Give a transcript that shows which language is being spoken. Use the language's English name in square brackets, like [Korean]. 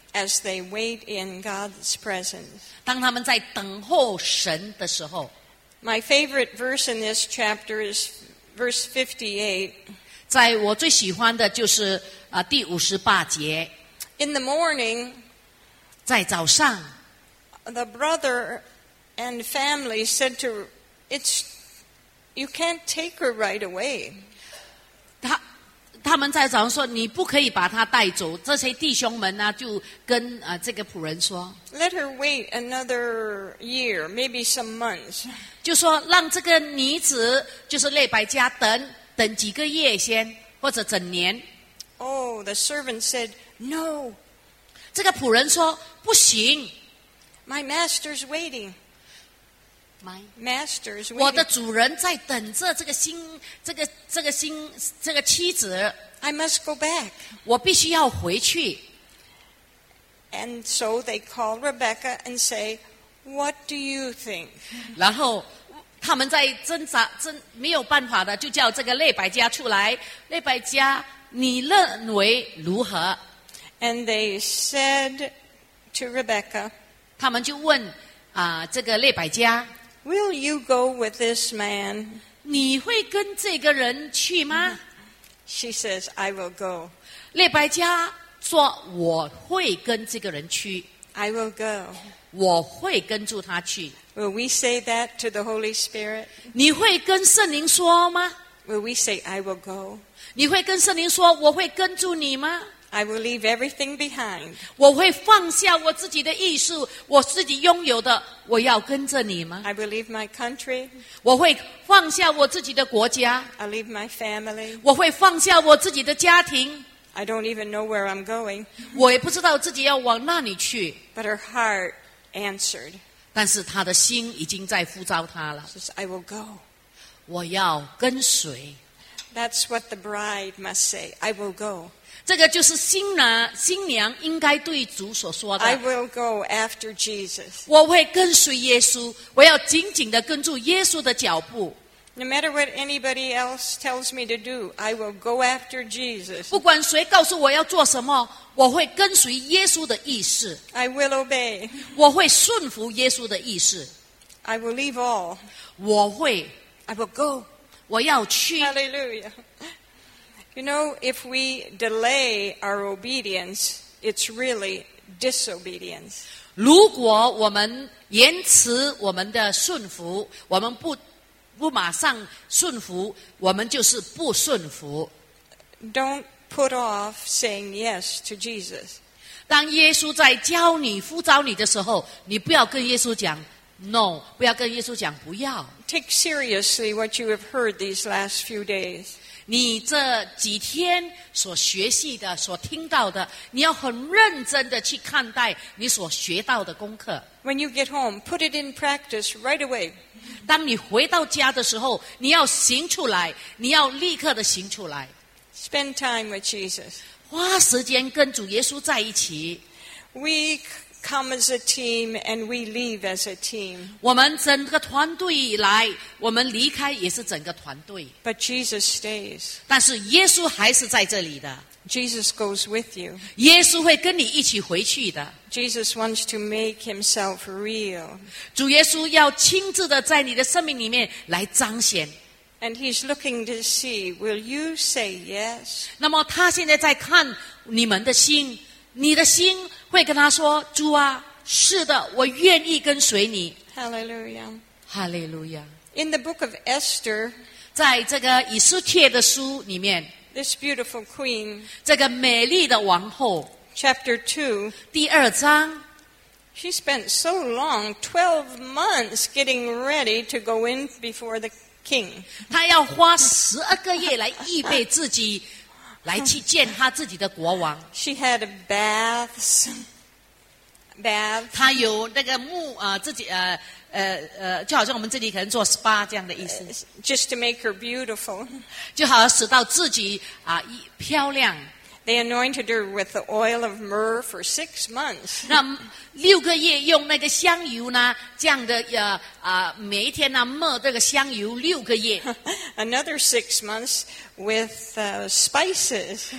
[English] as they wait in God's presence. [Chinese] 当他们在等候神的时候。 [English] My favorite verse in this chapter is verse 58. [Chinese] 在我最喜欢的就是第五十八节。 [English] In the morning, [Chinese] 在早上 [English] the brother and family said to it's you can't take her right away. [Chinese] 他们在早上说你不可以把她带走这些弟兄们呢就跟这个仆人说 [English] Let her wait another year, maybe some months. [Chinese] 就说让这个女子就是列白家等几个月先或者整年。 [English] Oh, the servant said, no. [Chinese] 这个仆人说不行。 [English] My master's waiting. Masters, [Chinese] 我的主人在等着这个妻子。 [English] I must go back. [Chinese] 我必须要回去。 [English] And so they call Rebecca and say, "What do you think?" [Chinese] 然后他们在挣扎，没有办法的，就叫这个列百加出来。列百加，你认为如何 [English] ？And they said to Rebecca, [Chinese] 他们就问这个列百加。 [English] Will you go with this man? [Chinese] 你会跟这个人去吗 [English] She says, I will go. [Chinese] 列白家说我会跟这个人去 [English] I will go. [Chinese] 我会跟住他去 [English] Will we say that to the Holy Spirit? [Chinese] 你会跟圣灵说吗 [English] Will we say, I will go? [Chinese] 你会跟圣灵说我会跟住你吗 [English] I will leave everything behind. [Chinese] 我会放下我自己的艺术，我自己拥有的，我要跟着你吗 [English] ？I will leave my country. [Chinese] 我会放下我自己的国家。 [English] I leave my family. [Chinese] 我会放下我自己的家庭。 [English] I don't even know where I'm going. [Chinese] 我也不知道自己要往那里去。 [English] But her heart answered. [Chinese] 但是她的心已经在呼召她了。 [English] She says, "I will go." [Chinese] 我要跟随。 [English] That's what the bride must say. I will go. [Chinese] 这个就是新娘应该对主所说的。 [English] I will go after Jesus. [Chinese] 我会跟随耶稣，我要紧紧地跟住耶稣的脚步。 [English] No matter what anybody else tells me to do, I will go after Jesus. [Chinese] 不管谁告诉我要做什么，我会跟随耶稣的意思。 [English] I will obey. [Chinese] 我会顺服耶稣的意思。 [English] I will leave all. [Chinese] 我会。 [English] I will go. [Chinese] 我要去。 [English] Hallelujah. You know, if we delay our obedience, it's really disobedience. [Chinese] 如果我们延迟我们的顺服，我们不马上顺服，我们就是不顺服。 [English] Don't put off saying yes to Jesus. [Chinese] 当耶稣在教你、呼召你的时候，你不要跟耶稣讲 [English] no， [Chinese] 不要跟耶稣讲不要。 [English] Take seriously what you have heard these last few days. [Chinese] 你这几天所学习的所听到的你要很认真的去看待你所学到的功课 [English] When you get home, put it in practice right away. [Chinese] 当你回到家的时候你要行出来你要立刻的行出来 [English] Spend time with Jesus. [Chinese] 花时间跟主耶稣在一起 [English] We come as a team and we leave as a team. [Chinese] 我们整个团队来我们离开也是整个团队 [English] But Jesus stays. [Chinese] 但是耶稣还是在这里的 [English] Jesus goes with you. [Chinese] 耶稣会跟你一起回去的 [English] Jesus wants to make himself real. [Chinese] 主耶稣要亲自的在你的生命里面来彰显 [English] And he's looking to see, will you say yes? [Chinese] 那么他现在在看你们的心你的心会跟他说主啊是的我愿意跟随你 [English] Hallelujah Hallelujah In the book of Esther [Chinese] 在这个以斯帖的书里面 [English] This beautiful queen [Chinese] 这个美丽的王后 [English] Chapter 2 [Chinese] 第二章 [English] She spent so long 12 months getting ready to go in before the king [Chinese] 她要花十二个月来预备自己来去见他自己的国王。 [English] She had baths. Baths. [Chinese] 他有那个沐自己就好像我们这里可能做 spa 这样的意思。 [English] Just to make her beautiful. [Chinese] 就好像使到自己漂亮。 [English] They anointed her with the oil of myrrh for 6 months. [Chinese] 那六个月用那个香油呢这样的每一天呢抹这个香油六个月。 [English] Another 6 months with spices.